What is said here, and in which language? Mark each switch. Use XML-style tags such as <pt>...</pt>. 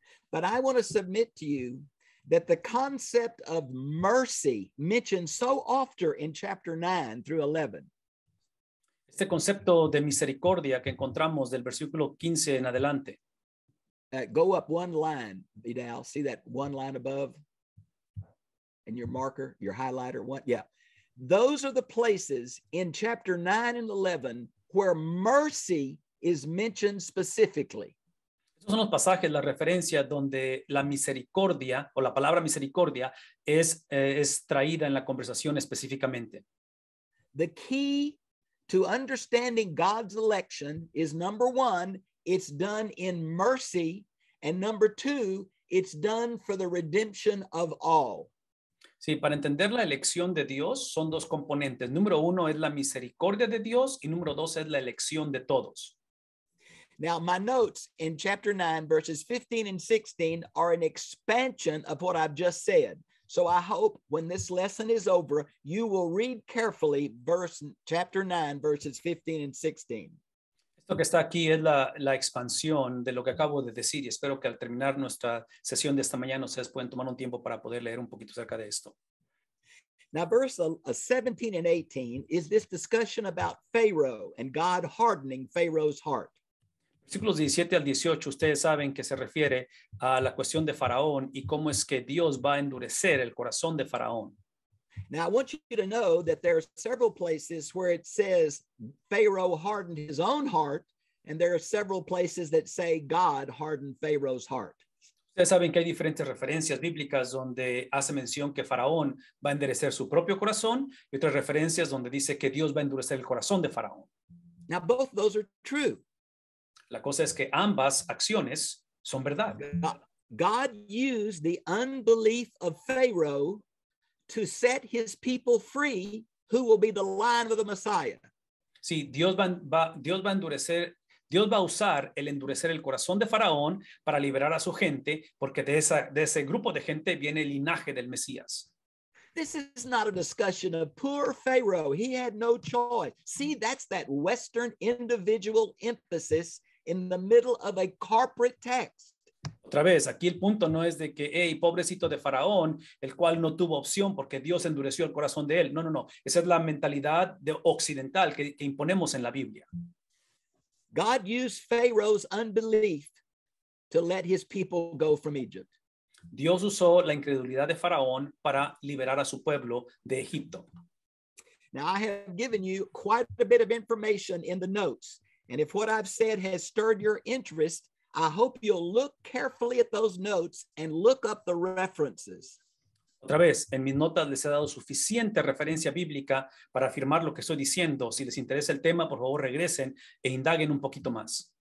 <en>But I want to submit to you that the concept of mercy mentioned so often in chapter 9 through 11.</en> <es>Este concepto de misericordia que encontramos del versículo 15 en adelante.</es> <en>Go up one line, Vidal. See that one line above? And your marker, your highlighter. One, yeah. Those are the places in chapter 9 and 11 where mercy is mentioned specifically.</en> <es>Estos son los pasajes, la referencia donde la misericordia o la palabra misericordia es traída en la conversación específicamente.</es> <en>The key to understanding God's election is number one, it's done in mercy, and number two, it's done for the redemption of all.</en> <es>Sí, para entender la elección de Dios son dos componentes. Número uno es la misericordia de Dios y número dos es la elección de todos.</es> <en>Now, my notes in chapter 9, verses 15 and 16 are an expansion of what I've just said. So I hope when this lesson is over, you will read carefully chapter 9, verses 15 and 16.</en> <es>Esto que está aquí es la expansión de lo que acabo de decir y espero que al terminar nuestra sesión de esta mañana ustedes pueden tomar un tiempo para poder leer un poquito acerca de esto.</es> <en>Now, verse 17 and 18 is this discussion about Pharaoh and God hardening Pharaoh's heart.</en> <es>Versículos 17 al 18, ustedes saben que se refiere a la cuestión de Faraón y cómo es que Dios va a endurecer el corazón de Faraón.</es> <en>Now, I want you to know that there are several places where it says Pharaoh hardened his own heart, and there are several places that say God hardened Pharaoh's heart.</en> <es>Ustedes saben que hay diferentes referencias bíblicas donde hace mención que Faraón va a endurecer su propio corazón y otras referencias donde dice que Dios va a endurecer el corazón de Faraón.</es> <en>Now both those are true.</en> <es>La cosa es que ambas acciones son verdad.</es> <en>God used the unbelief of Pharaoh to set his people free, who will be the lion of the Messiah.</en> <es>Sí, Dios va a usar el endurecer el corazón de Faraón para liberar a su gente, porque de ese grupo de gente viene el linaje del Mesías.</es> <en>This is not a discussion of poor Pharaoh. He had no choice. See, that's that Western individual emphasis in the middle of a corporate text.</en> <es>Otra vez, aquí el punto no es de que, hey, pobrecito de Faraón, el cual no tuvo opción porque Dios endureció el corazón de él. No. Esa es la mentalidad de occidental que imponemos en la Biblia.</es> <en>God used Pharaoh's unbelief to let his people go from Egypt.</en> <es>Dios usó la incredulidad de Faraón para liberar a su pueblo de Egipto.</es> <en>Now I have given you quite a bit of information in the notes, and if what I've said has stirred your interest, I hope you'll look carefully at those notes and look up the references.</en> <es>Otra vez, en mis notas les he dado suficiente referencia bíblica para afirmar lo que estoy diciendo. Si les interesa el tema, por favor regresen e indaguen un poquito más.</es>